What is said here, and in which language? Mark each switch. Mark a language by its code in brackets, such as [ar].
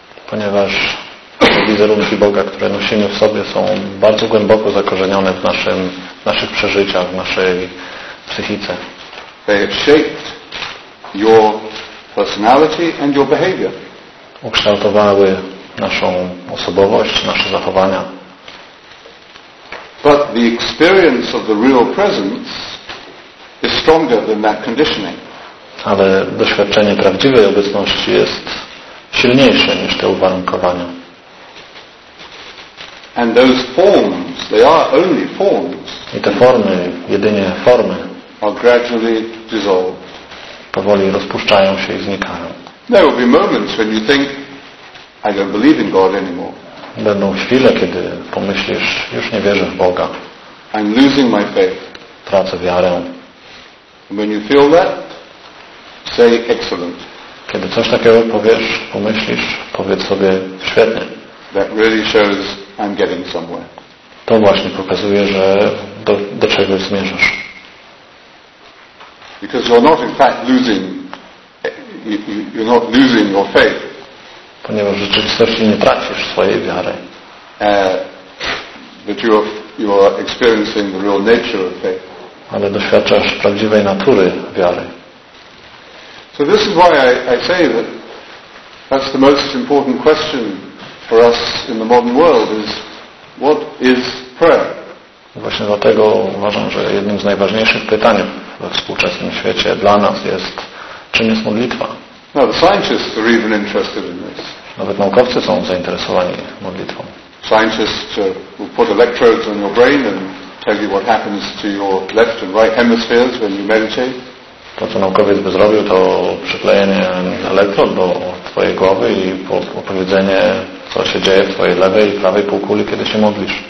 [pl] Ponieważ wizerunki Boga, które nosimy w sobie, są bardzo głęboko zakorzenione w naszych przeżyciach, w naszej psychice. [en] They have shaped your personality and your behavior. [pl] Ukształtowały naszą osobowość, nasze zachowania. [en] But the experience of the real presence is stronger than that conditioning. [pl] Ale doświadczenie prawdziwej obecności jest silniejsze niż te uwarunkowania. [en] And those forms, they are only forms. [pl] I te formy, jedynie formy, [en] are gradually dissolved. [pl] Powoli rozpuszczają się i znikają. [en] There will be moments when you think I don't believe in God anymore. [pl] Będą chwile, kiedy pomyślisz, już nie wierzę w Boga. [en] I'm losing my faith. [pl] Tracę wiarę. [en] When you feel that, say excellent. [pl] Kiedy coś takiego powiesz, pomyślisz, powiedz sobie świetnie. [en] That really shows I'm getting somewhere. [pl] To właśnie pokazuje, że do czegoś zmierzasz. [en] Because you're not in fact losing, you're not losing your faith. [pl] Ponieważ w rzeczywistości nie tracisz swojej wiary. [en] But you are experiencing the real nature of faith. [pl] Ale doświadczasz prawdziwej natury wiary. [en] So this is why I say that that's the most important question for us in the modern world is what is prayer? [pl] Właśnie dlatego uważam, że jednym z najważniejszych pytań we współczesnym świecie dla nas jest, czym jest modlitwa? [en] Now the scientists are even interested in this. [pl] Nawet naukowcy są zainteresowani modlitwą. [en] Scientists will put electrodes on your brain and tell you what happens to your left and right hemispheres when you meditate. [pl] To co naukowiec by zrobił, to przyklejenie elektrod do twojej głowy i opowiedzenie, co się dzieje w twojej lewej i prawej półkuli, kiedy się modlisz.